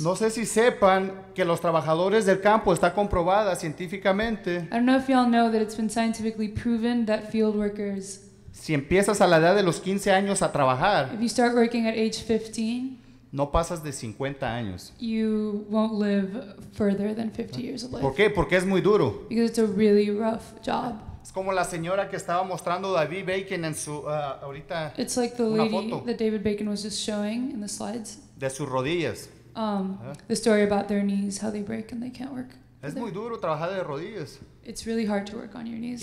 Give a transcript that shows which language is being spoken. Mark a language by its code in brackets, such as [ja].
[es] No sé si sepan que los trabajadores del campo está comprobada científicamente. [en] I don't know if y'all know that it's been scientifically proven that field workers. [es] Si empiezas a la edad de los 15 años a trabajar. [en] If you start working at age 15. [es] No pasas de 50 años. [en] You won't live further than 50 years of life. [es] ¿Por qué? Porque es muy duro. [en] Because it's a really rough job. [es] Es como la señora que estaba mostrando David Bacon en su ahorita una foto. [en] It's like the lady that David Bacon was just showing in the slides. [es] De sus rodillas. [en] The story about their knees, how they break and they can't work. [es] Es muy duro trabajar de rodillas. [en] It's really hard to work on your knees.